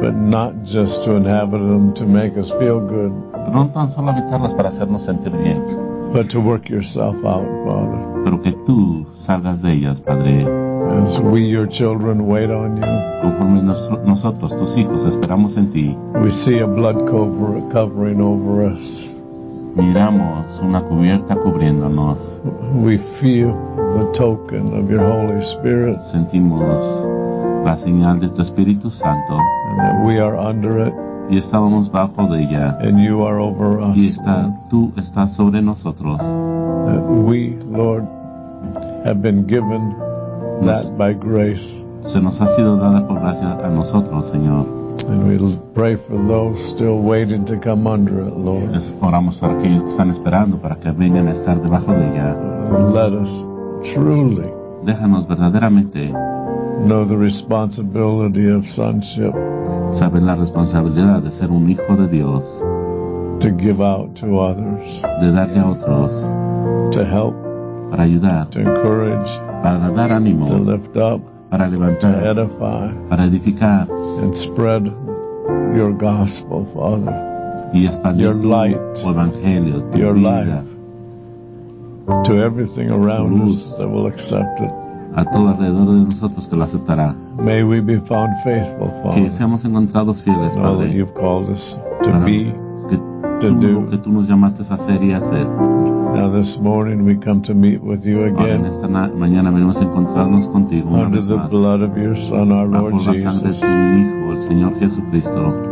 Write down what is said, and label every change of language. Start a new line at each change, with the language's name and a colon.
English: But not just to inhabit them to make us feel good.
Spanish: No tan solo habitarlas para hacernos sentir bien.
English: But to work yourself out, Father.
Spanish: Pero que tú salgas de ellas, Padre.
English: As we, your children, wait on you.
Spanish: Conforme nosotros, tus hijos, esperamos en ti.
English: We see a blood covering over us.
Spanish: Miramos una cubierta cubriéndonos.
English: We feel the token of your Holy Spirit.
Spanish: Sentimos la señal de tu Espíritu Santo.
English: And that we are under it.
Spanish: Y estábamos bajo de ella.
English: And you are over us.
Spanish: Y está, tú estás sobre nosotros.
English: That we, Lord, have been given that by grace.
Spanish: Se nos ha sido dada por gracia a nosotros, Señor.
English: And we pray for those still waiting to come under it, Lord.
Spanish: Oramos para aquellos que están esperando para que vengan a estar debajo de ella.
English: Let us truly.
Spanish: Déjanos verdaderamente.
English: Know the responsibility of sonship.
Spanish: Saber la responsabilidad de ser un hijo de Dios.
English: To give out to others.
Spanish: De darle a otros.
English: To help.
Spanish: Para ayudar.
English: To encourage.
Spanish: Para dar ánimo.
English: To lift up.
Spanish: Para levantar.
English: To edify.
Spanish: Para edificar.
English: And spread your gospel, Father.
Spanish: Y expandir
English: your light,
Spanish: tu evangelio, tu
English: your
Spanish: vida,
English: life, to everything around us that will accept it.
Spanish: A todo alrededor de nosotros que lo aceptará.
English: May we be found faithful, Father.
Spanish: Que seamos encontrados fieles, Padre.
English: All that you've called us to be, to do.
Spanish: Que tú nos llamaste a hacer y a hacer.
English: Now this morning we come to meet with you again.
Spanish: Ahora, en esta mañana venimos a encontrarnos contigo una vez más.
English: Under the blood of your Son, our Lord Jesus.
Spanish: Bajo la sangre de tu Hijo, el Señor Jesucristo.